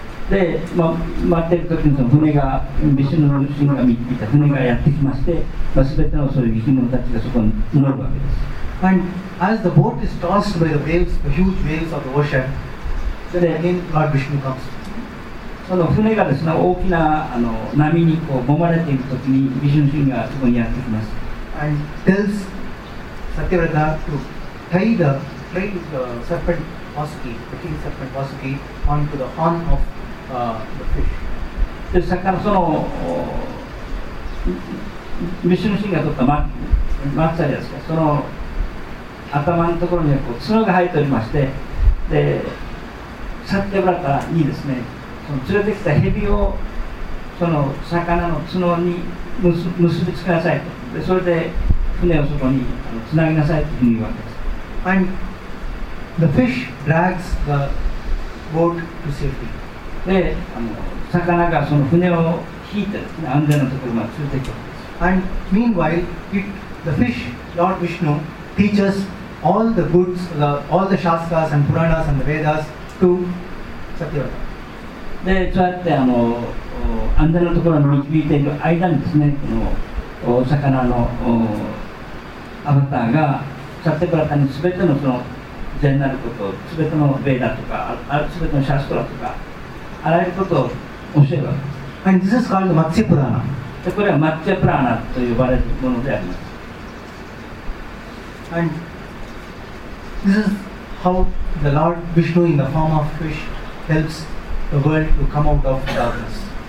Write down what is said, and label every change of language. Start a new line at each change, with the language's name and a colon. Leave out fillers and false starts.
Japanese: で、まあ、待ってる時にその船が、ビシュヌの神が見た船がやってきまして、まあ、全てのそういう生き物たちがそこに乗るわけです。
English: And as the boat is tossed by the waves, the huge waves of the ocean, then again Lord Vishnu comes.
Japanese: その船がですね、大きなあの波にこう揉まれている時に、ビシュヌ神がそこにやってきます。
English: And tells Satyavrata to tie the trained serpent Vasuki, the king serpent Vasuki, onto the horn of the fish.
Japanese: で、さっきのその、ビシュヌ神が取ったマッサリですか、その頭のところにはこう角が生えておりまして、で、サッテブラタにですね、その連れてきた蛇をその魚の角に結びつけなさいと、でそれで船をそこにあのつなぎなさいというふうに言われます。
English: And the fish drags the boat to safety.
Japanese: で、あの魚がその船を引いてですね、安全なところまで連れてきます。
English: And meanwhile, the fish, Lord Vishnu, teaches all the books, all the shastras and puranas and the Vedas to Satyavrata.
Japanese: で、そうやってあの安全なところに導いている間にですね、この魚のアバターがサテブラタに全てのその善なること、全てのベーダとか、全てのシャストラとか、あらゆることを教えるわけです。
English: And this is called the Matsya Purana.
Japanese: で、これはマッチャプラーナと呼ばれるものであります。
English: And this is how the Lord Vishnu in the form of fish helps the world to come out of darkness.